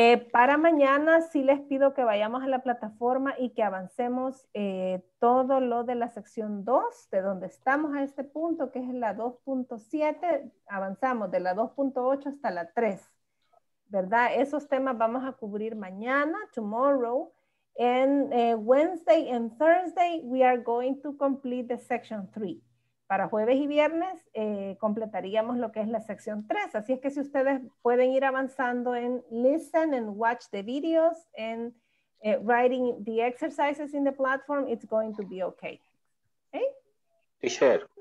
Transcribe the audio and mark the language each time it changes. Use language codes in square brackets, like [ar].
[es] Para mañana sí les pido que vayamos a la plataforma y que avancemos todo lo de la sección 2, de donde estamos a este punto, que es la 2.7, avanzamos de la 2.8 hasta la 3, ¿verdad? Esos temas vamos a cubrir mañana, [en] tomorrow. And Wednesday and Thursday we are going to complete the section 3. [es] Para jueves y viernes completaríamos lo que es la sección 3. Así es que si ustedes pueden ir avanzando en [en] listen and watch the videos and writing the exercises in the platform, it's going to be okay. ¿Okay? Teacher.